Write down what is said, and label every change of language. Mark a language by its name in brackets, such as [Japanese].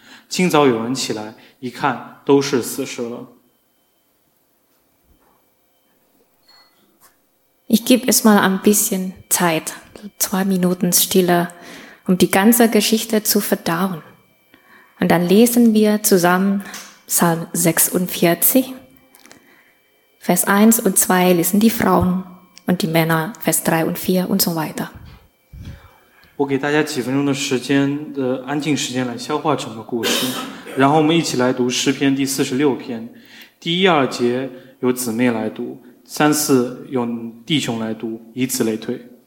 [Chinese] 亚摩斯的儿子以赛亚打发人去见西西家说：“耶和华以色列的神如此说，你既然求我，我已听见。”当夜十五节之后，当夜耶和华的使者出去，在亚述营中杀了18万5000人。 [German] Ich gebe es mal ein bisschen Zeit, 2 Minuten Stille, um die ganze Geschichte zu verdauen. Und dann lesen wir zusammen Psalm 46, Vers 1 und 2 lesen die Frauen und die Männer, Vers 3 und 4 und so weiter. [Chinese] 我给大家几分钟的时间的安静时间来消化整个故事，然后我们一起来读诗篇第46篇，第一二节由姊妹来读，三四由弟兄来读，以此类推。